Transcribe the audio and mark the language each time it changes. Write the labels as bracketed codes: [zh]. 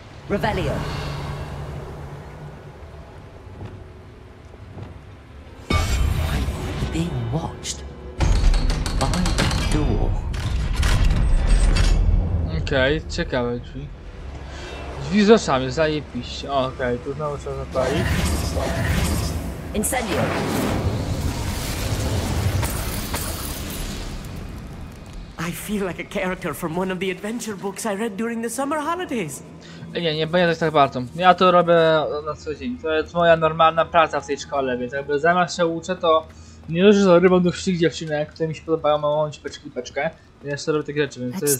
[en] Revelio. I'm being watched by the door. [pl] Okay, ciekawe drzwi. Drzwi z oczami, zajebiście. Okay, tu znowu trzeba zapalić. Incendio. [en] I feel like a character from one of the adventure books I read during the summer holidays. [pl] Nie będę tak bardzo. Ja to robię na co dzień. To jest moja normalna praca w tej szkole, więc jakby zamiast się uczę, to nie dość, że zarywam do wszystkich dziewczynek, które mi się podobają, mam łączyć peczkę. Ja jeszcze robię takie rzeczy, więc to jest.